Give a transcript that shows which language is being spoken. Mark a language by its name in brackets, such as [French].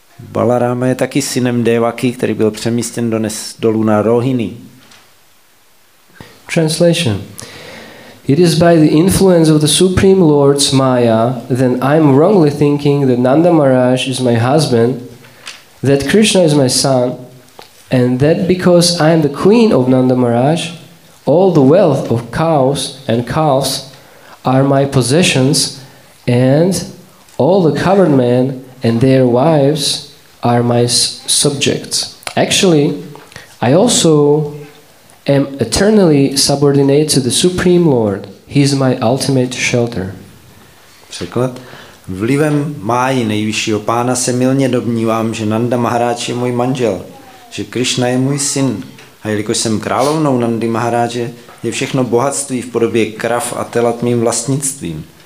[Czech] Balaráma je taky synem Devaki, který byl přemístěn dolů na Rohini. [English] Translation. It is by the influence of the Supreme Lord's Maya that I am wrongly thinking that Nanda Maharaj is my husband, that Krishna is my son, and that because I am the queen of Nanda Maharaj, all the wealth of cows and calves are my possessions, and all the covered men and their wives are my subjects. Actually, I also am eternally subordinate to the Supreme Lord. He is my ultimate shelter. [Czech] Překlad. Vlivem máji nejvyššího pána se mylně domnívám, že Nanda Maharaj je můj manžel, že Krishna je můj syn. A jelikož jsem královnou Nandy Maharaje, je všechno bohatství v podobě krav a telat mým vlastnictvím.